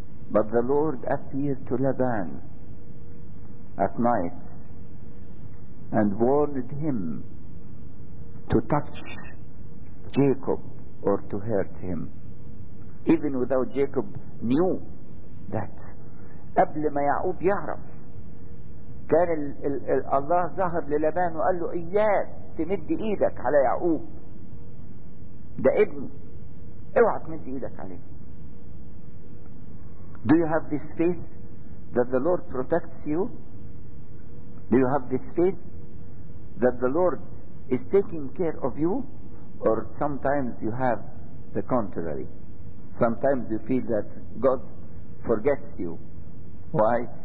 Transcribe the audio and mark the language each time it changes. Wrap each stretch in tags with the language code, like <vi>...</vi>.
<en>But the Lord appeared to Laban at night and warned him to touch Jacob or to hurt him, even without Jacob knew that.</en> <ar>قبل ما يعقوب يعرف كان الله ظهر للبان وقال له إياه تمد إيدك على يعقوب ده ابني اوعى تمد إيدك عليه.</ar> <en>Do you have this faith that the Lord protects you? Do you have this faith that the Lord is taking care of you? Or sometimes you have the contrary. Sometimes you feel that God forgets you. Why?</en>